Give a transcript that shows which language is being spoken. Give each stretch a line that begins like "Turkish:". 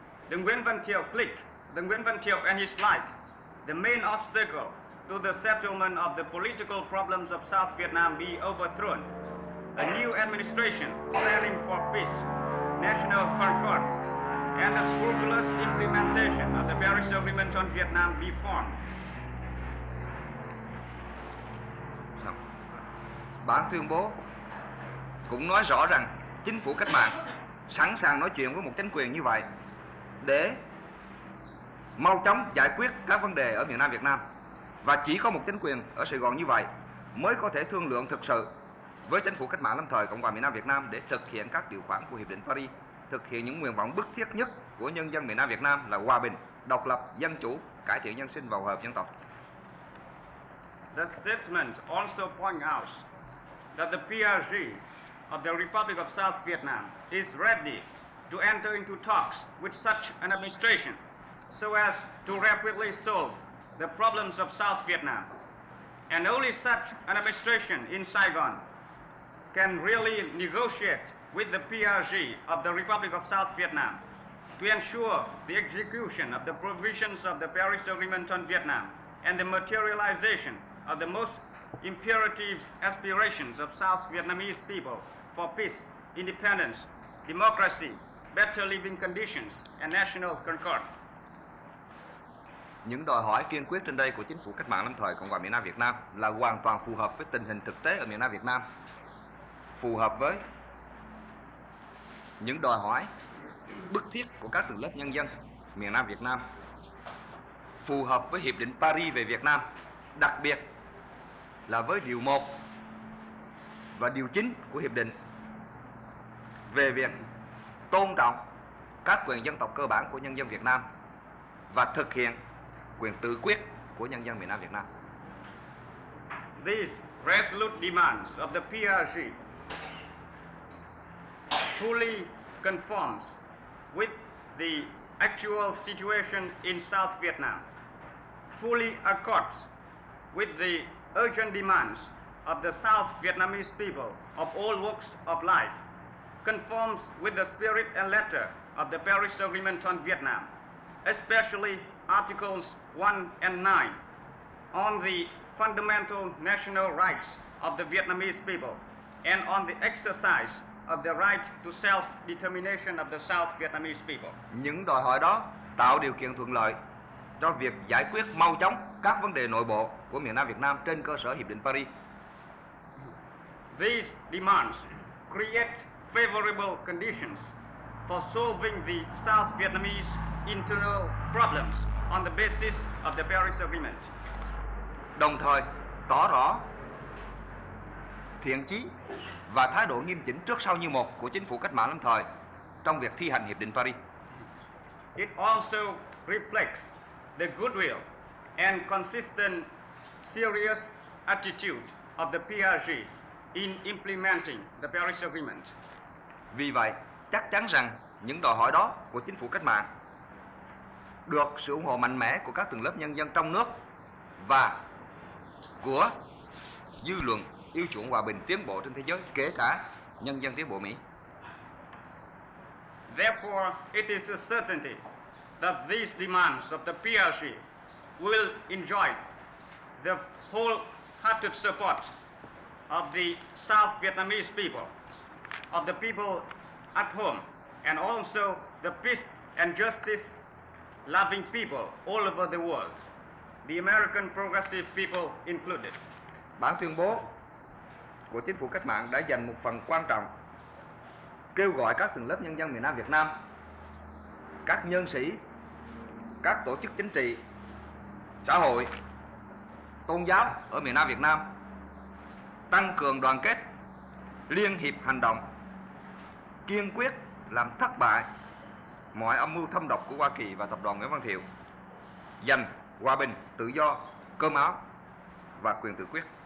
English: The Nguyen Văn Thiệu clique, the Nguyen Văn Thiệu and his like, the main obstacle to the settlement of the political problems of South Vietnam be overthrown. A new administration standing for peace, national concord, and a scrupulous implementation of the Paris Agreement on Vietnam be formed.
Vietnamese: Bản tuyên bố cũng nói rõ rằng chính phủ cách mạng sẵn sàng nói chuyện với một chính quyền như vậy để mau chóng giải quyết các vấn đề ở miền Nam Việt Nam. Và chỉ có một chính quyền ở Sài Gòn như vậy mới có thể thương lượng thực sự với chính phủ cách mạng lâm thời Cộng hòa miền Nam Việt Nam để thực hiện các điều khoản của Hiệp định Paris, thực hiện những nguyện vọng bức thiết nhất của nhân dân miền Nam Việt Nam là hòa bình, độc lập, dân chủ, cải thiện nhân sinh và hòa hợp dân tộc.
English: The statement also points out that the PRG of the Republic of South Vietnam is ready to enter into talks with such an administration so as to rapidly solve the problems of South Vietnam. And only such an administration in Saigon can really negotiate with the PRG of the Republic of South Vietnam to ensure the execution of the provisions of the Paris Agreement on Vietnam and the materialization of the most imperative aspirations of South Vietnamese people for peace, independence, democracy, better living conditions, and national concord.
Vietnamese: Những đòi hỏi kiên quyết trên đây của chính phủ cách mạng lâm thời Cộng hòa miền Nam Việt Nam là hoàn toàn phù hợp với tình hình thực tế ở miền Nam Việt Nam, phù hợp với những đòi hỏi bức thiết của các tầng lớp nhân dân miền Nam Việt Nam, phù hợp với Hiệp định Paris về Việt Nam, đặc biệt là với điều 1 và điều 9 của Hiệp định về việc tôn trọng các quyền dân tộc cơ bản của nhân dân Việt Nam và thực hiện quyền tự quyết của nhân dân miền Nam Việt Nam.
English: These resolute demands of the PRG fully conforms with the actual situation in South Vietnam, fully accords with the urgent demands of the South Vietnamese people of all walks of life, conforms with the spirit and letter of the Paris Agreement on Vietnam, especially Articles 1 and 9 on the fundamental national rights of the Vietnamese people and on the exercise of the right to self-determination of the South Vietnamese people.
Vietnamese: Những đòi hỏi đó tạo điều kiện thuận lợi cho việc giải quyết mau chóng các vấn đề nội bộ của miền Nam Việt Nam trên cơ sở Hiệp định Paris.
English: These demands create favorable conditions for solving the South Vietnamese internal problems on the basis of the Paris Agreement.
Vietnamese: Đồng thời, tỏ rõ thiện chí và thái độ nghiêm chỉnh trước sau như một của chính phủ cách mạng lâm thời trong việc thi hành Hiệp định Paris.
English: It also reflects the goodwill and consistent serious attitude of the PRG in implementing the Paris Agreement.
Vietnamese: Vì vậy, chắc chắn rằng những đòi hỏi đó của chính phủ cách mạng được sự ủng hộ mạnh mẽ của các tầng lớp nhân dân trong nước và của dư luận yêu chuộng hòa bình tiến bộ trên thế giới, kể cả nhân dân tiến bộ Mỹ.
English: Therefore, it is a certainty that these demands of the PRG will enjoy the wholehearted support of the South Vietnamese people, of the people at home, and also the peace and justice loving people all over the world, the American progressive people included.
Vietnamese: Bản tuyên bố của chính phủ cách mạng đã dành một phần quan trọng kêu gọi các tầng lớp nhân dân miền Nam Việt Nam, các nhân sĩ, các tổ chức chính trị, xã hội, tôn giáo ở miền Nam Việt Nam tăng cường đoàn kết, liên hiệp hành động, kiên quyết làm thất bại mọi âm mưu thâm độc của Hoa Kỳ và tập đoàn Nguyễn Văn Thiệu, giành hòa bình, tự do, cơm áo và quyền tự quyết.